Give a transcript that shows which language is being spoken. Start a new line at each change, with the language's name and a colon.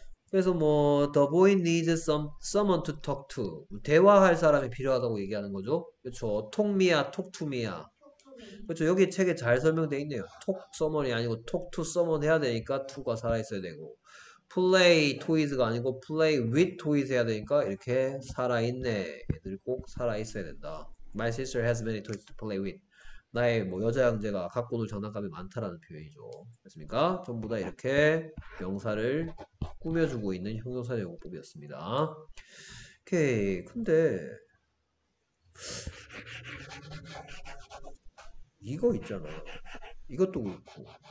Korean: 그래서 뭐
English: the boy needs someone to talk to.
Korean: 대화할 사람이 필요하다고 얘기하는 거죠. 그렇죠. talk me야, talk to me야. 그렇죠. 여기 책에 잘 설명돼 있네요. talk someone이 아니고 talk to someone 해야 되니까 to가 살아있어야 되고 play toys가 아니고 play with toys 해야 되니까 이렇게 살아있네. 애들이 꼭 살아있어야 된다.
English: My sister has many toys to play with.
Korean: 나의 뭐 여자 형제가 갖고 놀 장난감이 많다라는 표현이죠. 맞습니까? 전부 다 이렇게 명사를 꾸며주고 있는 형용사 제공법이었습니다. 오케이. 근데 이거 있잖아. 이것도 그렇고.